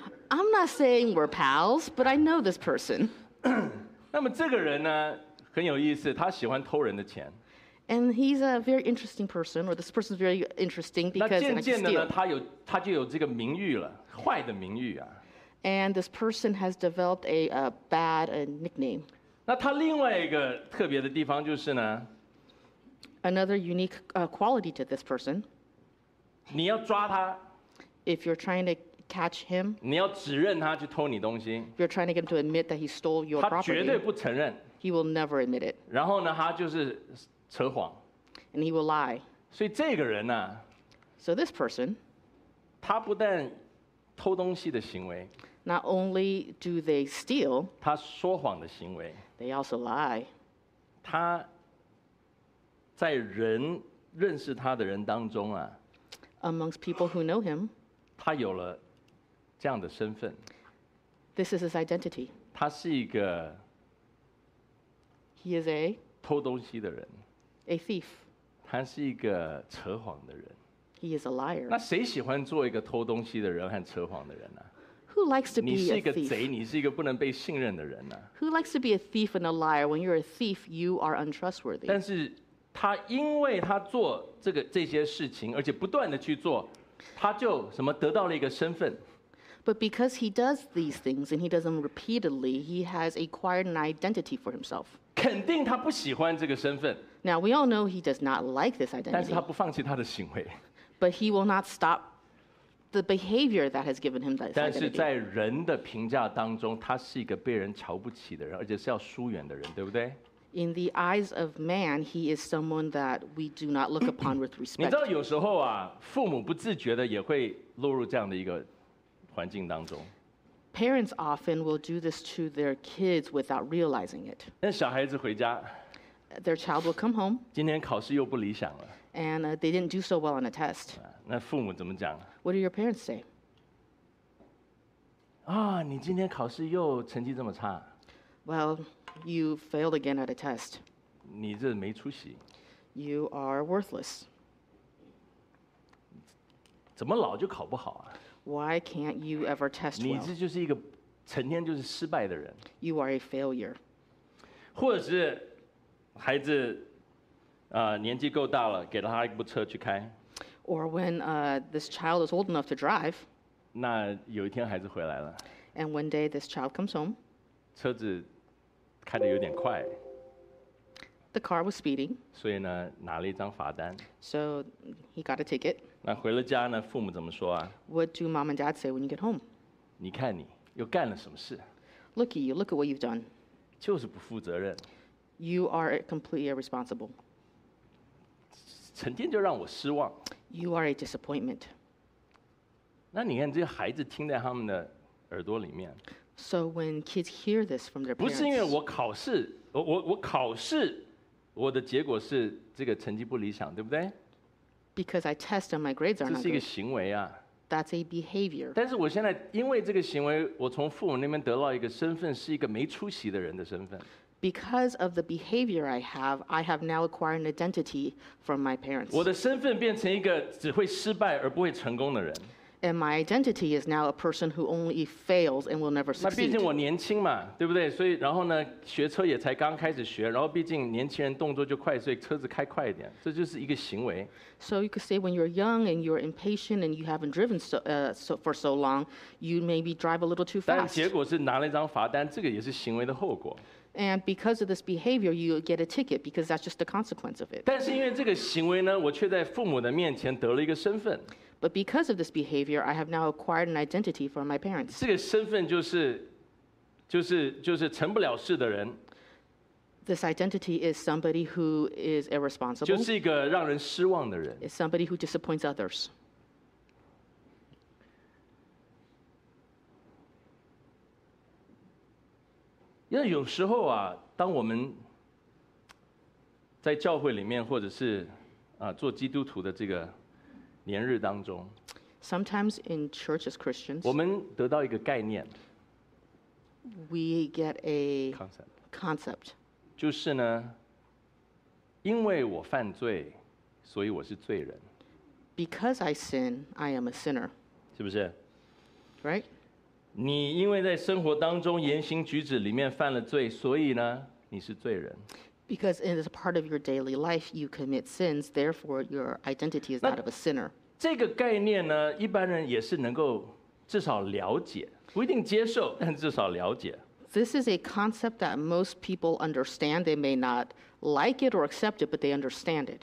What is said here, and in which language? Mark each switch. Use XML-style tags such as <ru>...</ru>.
<en>I'm not saying we're pals, but I know this person.</en> <zh>那么这个人呢，很有意思，他喜欢偷人的钱。</zh> <en>And he's a very interesting person, or this person is very interesting because.</en> <zh>那渐渐的呢，他就有这个名誉了，坏的名誉啊。</zh> <en>And this person has developed a bad nickname.</en> <zh>那他另外一个特别的地方就是呢。</zh> <en>Another unique quality to this person.</en> <zh>你要抓他。</zh> <en>If you're trying to catch him.</en> <zh>你要指认他去偷你东西。</zh> <en>You're trying to get him to admit that he stole your property.</en> <zh>他绝对不承认。</zh> <en>He will never admit it.</en> <zh>然后呢，他就是扯谎。</zh> <en>And he will lie.</en> <zh>所以这个人呢、啊、</zh> <en>So this person.</en> <zh>他不但偷东西的行为。</zh> <en>Not only do they steal.</en> <zh>他说谎的行为。</zh> <en>They also lie.</en> <zh>他在人认识他的人当中啊</zh> <en>，amongst people who know him，</en> <zh>他有了这样的身份。</zh> <en>This is his identity。</en> <zh>他是一个</zh> <en>，He is a</en> <zh>偷东西的人</zh> <en>，a thief。</en> <zh>他是一个扯谎的人</zh> <en>，He is a liar。</en> <zh>那谁喜欢做一个偷东西的人和扯谎的人呢、啊、</zh> <en>？Who likes to be a thief？</en> <zh>你是一个贼，你是一个不能被信任的人呢、啊、</zh> <en>？Who likes to be a thief and a liar when you're a thief? You are untrustworthy。</en> <zh>但是他因为他做这些事情，而且不断的去做，他就什么得到了一个身份。</zh> <en>But because he does these things and he does them repeatedly, he has acquired an identity for himself.</en> <zh>肯定他不喜欢这个身份。</zh> <en>Now we all know he does not like this identity.</en> <zh>但是他不放弃他的行为。</zh> <en>But he will not stop the behavior that has given him that identity.</en> <zh>但是在人的评价当中，他是一个被人瞧不起的人，而且是要疏远的人，对不对？</zh> <en>In the eyes of man, he is someone that we do not look upon with respect.</en> <zh>你知道有时候啊，父母不自觉的也会落入这样的一个环境当中。</zh> <en>Parents often will do this to their kids without realizing it.</en> <zh>那小孩子回家。</zh> <en>Their child will come home.</en> <zh>今天考试又不理想了。</zh> <en>And they didn't do so well on a test.</en> <zh>那父母怎么讲？</zh> <en>What do your parents say?</en> <zh>啊，你今天考试又成绩这么差。</zh> <en>Well, you failed again at a test.</en> <zh>你这没出息。</zh> <en>You are worthless.</en> <zh>怎么老就考不好啊？</zh> <en>Why can't you ever test well?</en> <zh>你这就是一个成天就是失败的人。</zh> <en>You are a failure.</en> <zh>或者是孩子年纪够大了，给了他一部车去开。</zh> <en>Or when this child is old enough to drive.</en> <zh>那有一天孩子回来了。</zh> <en>And one day this child comes home.</en> <zh>车子开得有点快。</zh> <en>The car was speeding.</en> <zh>所以呢，拿了一张罚单。</zh> <en>So he got a ticket.</en> <zh>那回了家呢，父母怎么说啊？</zh> <en>What do mom and dad say when you get home?</en> <zh>你看你又干了什么事？</zh> <en>Look at you, look at what you've done.</en> <zh>就是不负责任。</zh> <en>You are completely irresponsible.</en> <zh>成天就让我失望。</zh> <en>You are a disappointment.</en> <zh>那你看这些孩子听在他们的耳朵里面。</zh> <en>So when kids hear this from their parents.</en> <zh>不是因为我考试，我考试，我的结果是这个成绩不理想，对不对？</zh> <en>Because I test and my grades are not good.</en> <zh>这是一个行为啊。</zh> <en>That's a behavior.</en> <zh>但是我现在因为这个行为，我从父母那边得到一个身份，是一个没出息的人的身份。</zh> <en>Because of the behavior I have now acquired an identity from my parents.</en> <zh>我的身份变成一个只会失败而不会成功的人。</zh> <en>And my identity is now a person who only fails and will never succeed.</en> <zh>那毕竟我年轻嘛，对不对？所以然后呢，学车也才刚开始学，然后毕竟年轻人动作就快，所以车子开快一点，这就是一个行为。</zh> <en>So you could say when you're young and you're impatient and you haven't driven for so long, you maybe drive a little too fast.</en> <zh>但结果是拿了一张罚单，这个也是行为的后果。</zh> <en>And because of this behavior, you get a ticket because that's just the consequence of it.</en> <zh>但是因为这个行为呢，我却在父母的面前得了一个身份。</zh> <en>But because of this behavior, I have now acquired an identity from my parents.</en> <zh>这个身份就是成不了事的人。</zh> <en>This identity is somebody who is irresponsible.</en> <zh>就是一个让人失望的人。</zh> <en>It's somebody who disappoints others.</en> <zh>因为有时候啊，当我们在教会里面，或者是做基督徒的这个。年日当中</zh> <en>，Sometimes in church as Christians，</en> <zh>我们得到一个概念</zh> <en>，We get a concept，</en> <zh>就是呢，因为我犯罪，所以我是罪人。</zh> <en>Because I sin, I am a sinner，</en> <zh>是不是</zh> <en>？Right？</en> <zh>你因为在生活当中言行举止里面犯了罪，所以呢，你是罪人。</zh> <en>Because it is a part of your daily life, you commit sins. Therefore, your identity is that of a sinner.</en> <zh>这个概念呢，一般人也是能够至少了解，不一定接受，但至少了解。</zh> <en>This is a concept that most people understand. They may not like it or accept it, but they understand it.</en>